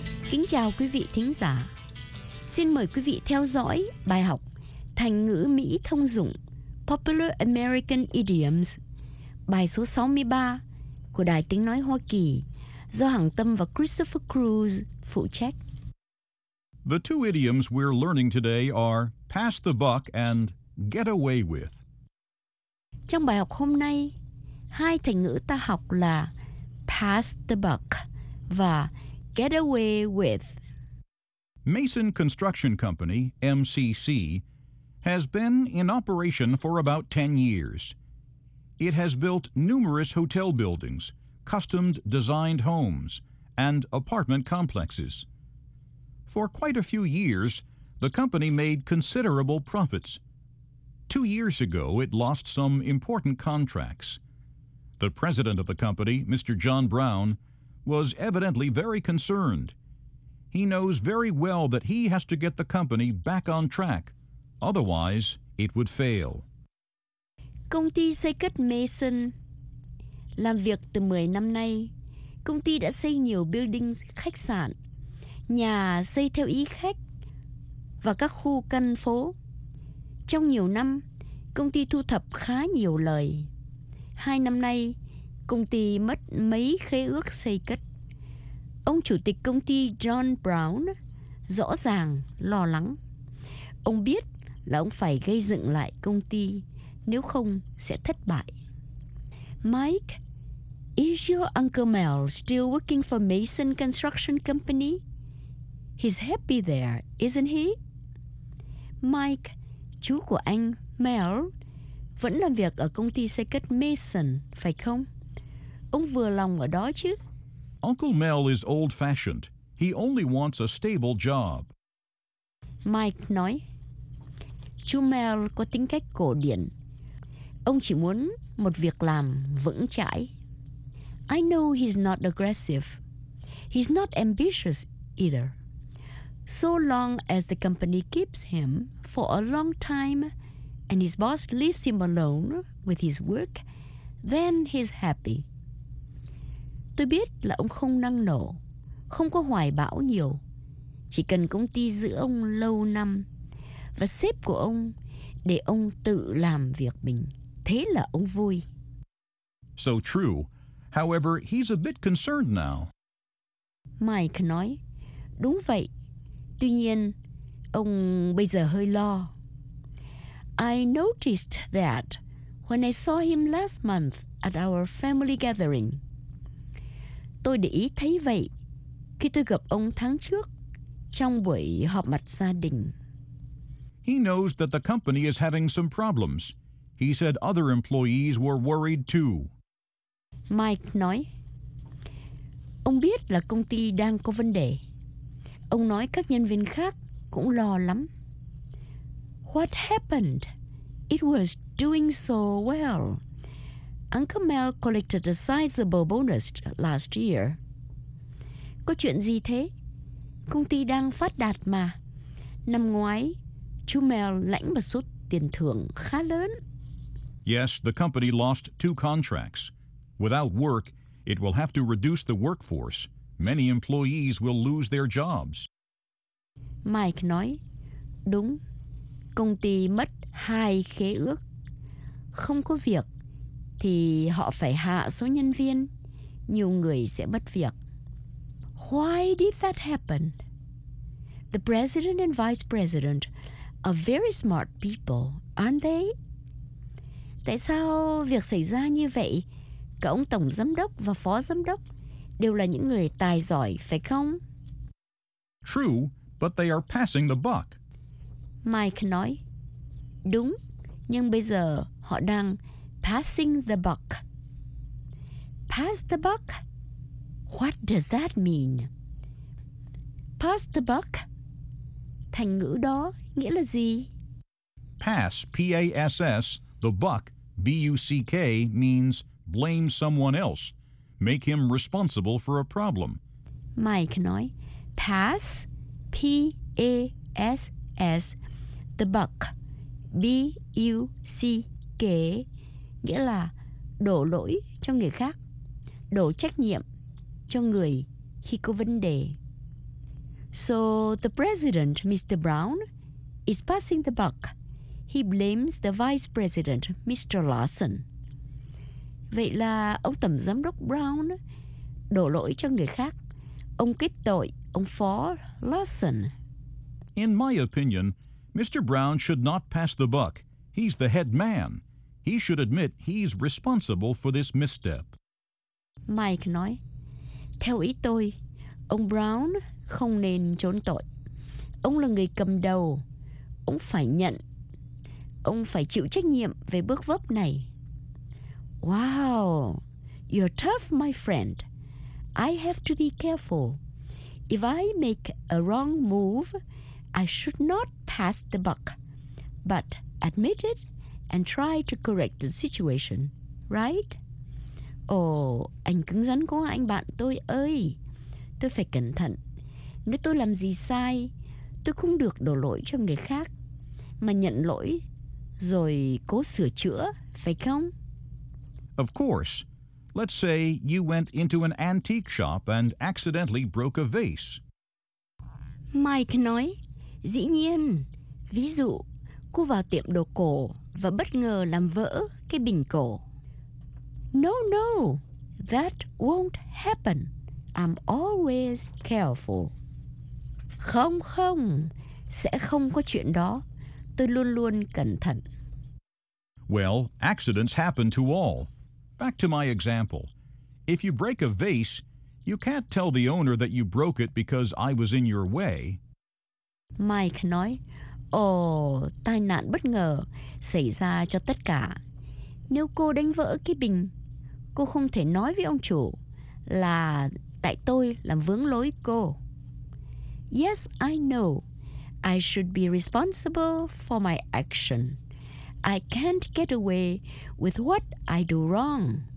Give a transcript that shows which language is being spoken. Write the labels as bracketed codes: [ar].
[vi] Kính chào quý vị thính giả. Xin mời quý vị theo dõi bài học Thành ngữ Mỹ thông dụng [en] Popular American Idioms, [vi] bài số 63 của Đài Tiếng Nói Hoa Kỳ do Hằng Tâm và Christopher Cruz phụ trách. [en] The two idioms we're learning today are pass the buck and get away with. [vi] Trong bài học hôm nay, hai thành ngữ ta học là pass the buck và get away with. [en] Mason Construction Company, MCC, has been in operation for about 10 years. It has built numerous hotel buildings, custom-designed homes, and apartment complexes. For quite a few years, the company made considerable profits. 2 years ago, it lost some important contracts. The president of the company, Mr. John Brown, was evidently very concerned. He knows very well that he has to get the company back on track. Otherwise, it would fail. [vi] Công ty xây cất Mason làm việc từ 10 năm nay. Công ty đã xây nhiều buildings, khách sạn, nhà xây theo ý khách và các khu căn phố. Trong nhiều năm, công ty thu thập khá nhiều lời. Hai năm nay, công ty mất mấy khế ước xây cất. Ông chủ tịch công ty John Brown rõ ràng lo lắng. Ông biết là ông phải gây dựng lại công ty, nếu không sẽ thất bại. [en] Mike, is your Uncle Mel still working for Mason Construction Company? He's happy there, isn't he? [vi] Mike, chú của anh Mel, vẫn làm việc ở công ty xây cất Mason, phải không? Ông vừa lòng ở đó chứ? [en] Uncle Mel is old-fashioned. He only wants a stable job. [vi] Mike nói, chú Mel có tính cách cổ điển. Ông chỉ muốn một việc làm vững chãi. [en] I know he's not aggressive. He's not ambitious either. So long as the company keeps him for a long time and his boss leaves him alone with his work, then he's happy. [vi] Tôi biết là ông không năng nổ, không có hoài bão nhiều. Chỉ cần công ty giữ ông lâu năm và sếp của ông để ông tự làm việc mình, thế là ông vui. [en] So true. However, he's a bit concerned now. [vi] Mike nói, đúng vậy. Tuy nhiên, ông bây giờ hơi lo. [en] I noticed that when I saw him last month at our family gathering. [vi] Tôi để ý thấy vậy khi tôi gặp ông tháng trước trong buổi họp mặt gia đình. [en] He knows that the company is having some problems. He said other employees were worried too. [vi] Mike nói, ông biết là công ty đang có vấn đề. Ông nói các nhân viên khác cũng lo lắm. [en] What happened? It was doing so well. Uncle Mel collected a sizable bonus last year. [vi] Có chuyện gì thế? Công ty đang phát đạt mà. Năm ngoái, chú Mel lãnh một số tiền thưởng khá lớn. [en] Yes, the company lost 2 contracts. Without work, it will have to reduce the workforce. Many employees will lose their jobs. [vi] Mike nói, đúng. Công ty mất 2 khế ước. Không có việc thì họ phải hạ số nhân viên. Nhiều người sẽ mất việc. [en] Why did that happen? The president and vice president are very smart people, aren't they? [vi] Tại sao việc xảy ra như vậy? Cả ông tổng giám đốc và phó giám đốc đều là những người tài giỏi, phải không? [en] True, but they are passing the buck. [vi] Mike nói, đúng, nhưng bây giờ họ đang passing the buck. [en] Pass the buck? What does that mean? Pass the buck? [vi] Thành ngữ đó nghĩa là gì? [en] Pass, P-A-S-S, the buck, B-U-C-K, means blame someone else. Make him responsible for a problem. [vi] Mike nói, pass, P-A-S-S, the buck, B-U-C-K, nghĩa là đổ lỗi cho người khác, đổ trách nhiệm cho người khi có vấn đề. [en] So the president, Mr. Brown, is passing the buck. He blames the vice president, Mr. Lawson. [vi] Vậy là ông tổng giám đốc Brown đổ lỗi cho người khác. Ông kết tội ông phó Lawson. [en] In my opinion, Mr. Brown should not pass the buck. He's the head man. He should admit he's responsible for this misstep. [vi] Mike nói, theo ý tôi, ông Brown không nên trốn tội. Ông là người cầm đầu. Ông phải nhận. Ông phải chịu trách nhiệm về bước vấp này. [en] Wow, you're tough, my friend. I have to be careful. If I make a wrong move, I should not pass the buck, but admit it and try to correct the situation, right? [vi] Oh, anh cứng rắn quá anh bạn tôi ơi. Tôi phải cẩn thận. Nếu tôi làm gì sai, tôi không được đổ lỗi cho người khác, mà nhận lỗi rồi cố sửa chữa, phải không? [en] Of course. Let's say you went into an antique shop and accidentally broke a vase. [vi] Mike nói, dĩ nhiên, ví dụ, cô vào tiệm đồ cổ và bất ngờ làm vỡ cái bình cổ. [en] No, no, that won't happen. I'm always careful. [vi] Không, không, sẽ không có chuyện đó. Tôi luôn luôn cẩn thận. [en] Well, accidents happen to all. Back to my example. If you break a vase, you can't tell the owner that you broke it because I was in your way. [vi] Mike nói, ồ, tai nạn bất ngờ xảy ra cho tất cả. Nếu cô đánh vỡ cái bình, cô không thể nói với ông chủ là tại tôi làm vướng lối cô. [en] Yes, I know. I should be responsible for my action. I can't get away with what I do wrong.